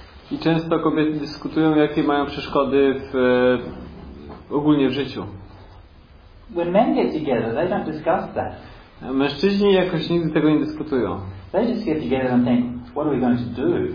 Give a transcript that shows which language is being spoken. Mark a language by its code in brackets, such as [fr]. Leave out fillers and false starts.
[pl] I często kobiety dyskutują, jakie mają przeszkody w ogólnie w życiu. [en] When men get together, they don't discuss that. [pl] Mężczyźni jakoś nigdy tego nie dyskutują. [en] They just get together and think, what are we going to do?